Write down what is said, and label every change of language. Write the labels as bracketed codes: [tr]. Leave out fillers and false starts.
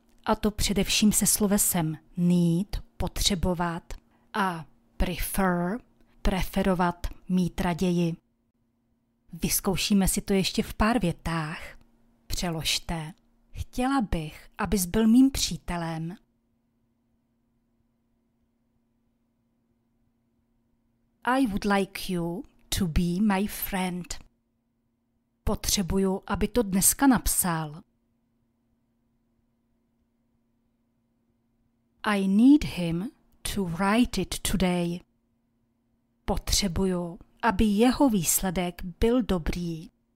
[cs] A to především se slovesem need, potřebovat, a prefer, preferovat, mít raději. Vyzkoušíme si to ještě v pár větách. Přeložte. Chtěla bych, abys byl mým přítelem. [en] I would like you to be my friend. [cs] Potřebuju, aby to dneska napsal. [en] I need him to write it today. [cs] Potřebuju, aby jeho výsledek byl dobrý.